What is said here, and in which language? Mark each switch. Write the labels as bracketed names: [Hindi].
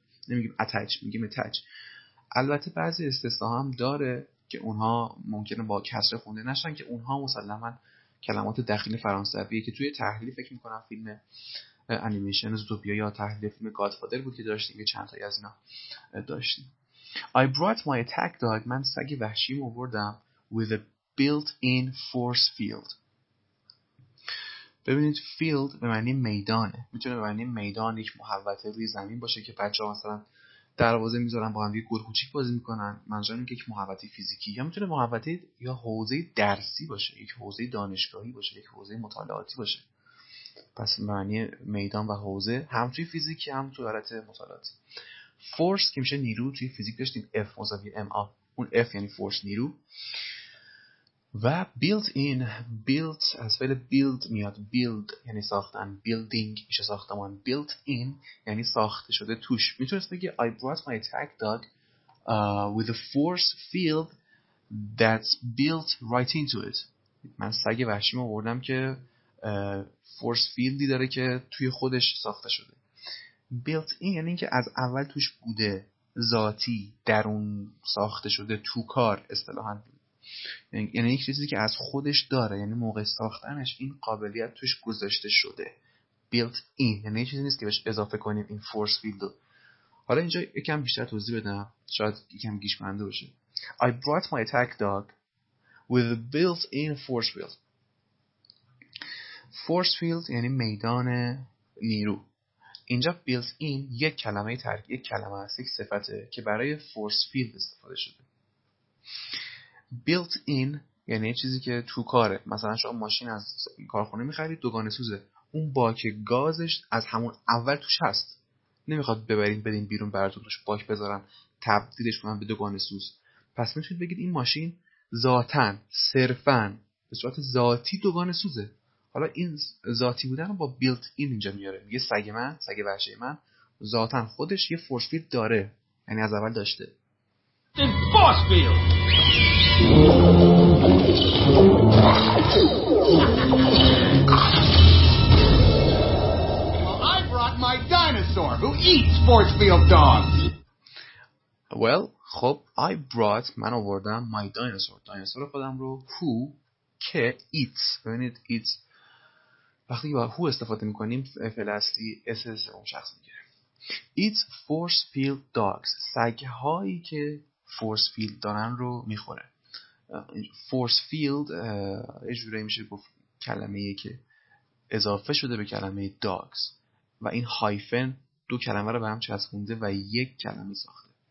[Persian] نمیگیم اتچ، میگیم اتچ. البته بعضی استثناء هم داره که اونها ممکنه با کسره خونده نشن، که اونها مسلما کلمات دخیل فرانسویه که توی تحلیل فکر میکنم فیلم انیمیشن زوتوپیا یا تحلیل فیلم گادفادر بود که داشتیم، یه چند تایی از اینا داشتیم. [English] I brought my attack dog، [Persian] من سگ وحشیم آوردم [English] with a built-in force field. [Persian] ببینید فیلد به معنی میدانه، میتونه به معنی میدان یک محوطه روی زمین باشه که بچه ها مثلا دروازه میذارن با هم یک گل کوچیک بازی میکنن، منظورم اینه که یک محوطه فیزیکی، یا میتونه محوطه یا حوزه درسی باشه، یک حوزه دانشگاهی باشه، یک حوزه مطالعاتی باشه. پس به معنی میدان و حوزه هم توی فیزیکی هم توی حالت مطالعاتی. فورس که میشه نیرو، توی فیزیک داشتیم F مساوی ما، اون F یعنی فورس، نیرو. و built in، built از فعل build میاد، build یعنی ساختن، building میشه ساختمان، built in یعنی ساخته شده توش. میتونست بگی [English] I brought my attack dog with a force field that's built right into it. [Persian] من سگ وحشیم آوردم که فورس فیلدی داره که توی خودش ساخته شده. built in یعنی که از اول توش بوده، ذاتی، درون ساخته شده، تو کار اصطلاحاً، یعنی یک چیزی که از خودش داره، یعنی موقع ساختنش این قابلیت توش گذاشته شده. built in یعنی چیزی نیست که بهش اضافه کنیم این فورس فیلد. حالا اینجا یکم بیشتر توضیح بدم، شاید یکم گیج کننده باشه. [English] I brought my attack dog with a built in force field. [Persian] force field یعنی میدان نیرو. اینجا built in یک کلمه ترکیب، یک کلمه است، یک صفته که برای فورس فیلد استفاده شده. built in یعنی چیزی که تو کاره، مثلا شما ماشین از کارخونه می‌خرید، دوگانه سوزه، اون باک گازش از همون اول توش هست، نمیخواد ببرین بدین بیرون براتون توش باک بذارن تبدیلش کنن به دوگانه سوز. پس میتونید بگید این ماشین ذاتن، صرفن، به صورت ذاتی دوگانه سوزه. حالا این ذاتی بودن رو با built in اینجا میاره، میگه سگ من، سگ وحشی من ذاتن خودش یه فورس فیلد داره، یعنی از اول داشته. [English] Filton force field. Well, I brought my dinosaur who eats force field dogs. [Persian] Well, خب [English] I brought [Persian] من آوردم [English] my dinosaur [Persian] دایناسور خودم رو who که eats ببینید eats وقتی با who استفاده میکنیم فعل اصلی اس اس اون شخص میگیره [English] eats force field dogs [Persian] سگهایی که force field دارن رو میخوره force field یه جوری میشه گفت کلمه‌ای که اضافه شده به کلمه dogs و این هایفن دو کلمه رو به هم چسبونده و یک کلمه ساخته